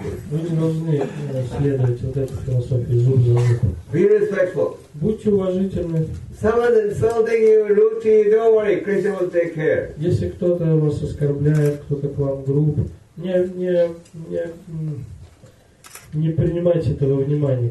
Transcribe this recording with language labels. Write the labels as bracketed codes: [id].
[ru] Мы не должны следовать вот этой философии. Зуб за зуб. [en] Be respectful. [ru] Будьте уважительны. [en] Someone insulting you, Ruchi, don't worry, Krishna will take care. [ru] Если кто-то вас оскорбляет, кто-то к вам груб, не принимайте этого внимания.